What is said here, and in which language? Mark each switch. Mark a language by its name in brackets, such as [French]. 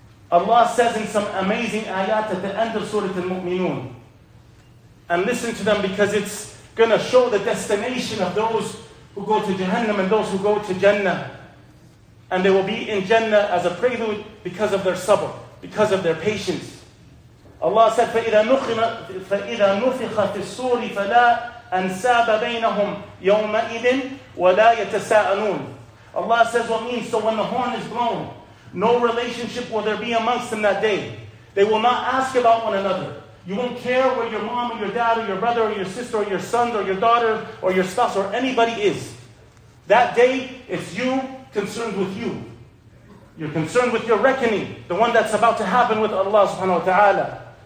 [English] Allah says in some amazing ayat at the end of Surah Al-Mu'minun. And listen to them because it's going to show the destination of those who go to Jahannam and those who go to Jannah. And they will be in Jannah as a prelude because of their sabr, because of their patience. Allah said, [Arabic] فَإِذَا نُفِخَ فِي الصُّورِ فَلَا أَنْسَابَ بَيْنَهُمْ يَوْمَئِذٍ وَلَا يَتَسَاءَنُونَ. [English] Allah says, what means? So when the horn is blown, no relationship will there be amongst them that day. They will not ask about one another. You won't care where your mom or your dad or your brother or your sister or your son or your daughter or your spouse or anybody is. That day, it's you concerned with you. You're concerned with your reckoning, the one that's about to happen with Allah subhanahu wa ta'ala.